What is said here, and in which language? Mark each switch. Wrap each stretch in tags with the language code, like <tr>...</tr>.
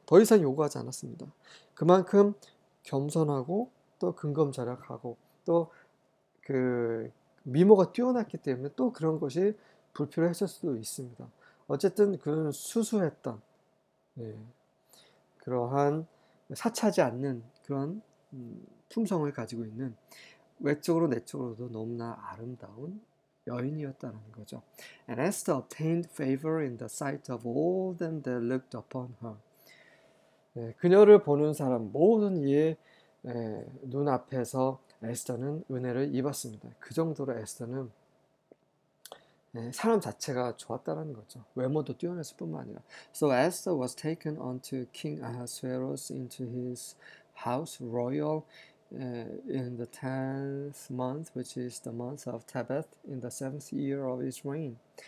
<ko>더 이상 요구하지 않았습니다. 그만큼 겸손하고 또 근검절약하고 또그 미모가 뛰어났기 때문에 또 그런 것이 불필요했을 수도 있습니다. 어쨌든 그는 수수했던 그러한 사차지 않는 그런 품성을 가지고 있는 외적으로 내적으로도 너무나 아름다운 여인이었다는 거죠.</ko> <en>And Esther obtained favor in the sight of all them that looked upon her.</en> <ko>그녀를 보는 사람 모든 이의 눈앞에서 에스더는 은혜를 입었습니다. 그 정도로 에스더는 사람 자체가 좋았다는 거죠. 외모도 뛰어났을 뿐만 아니라.</ko> <en>So Esther was taken unto King Ahasuerus into his house royal in the 10th month, which is the month of Tebeth, in the 7th year of his reign.</en>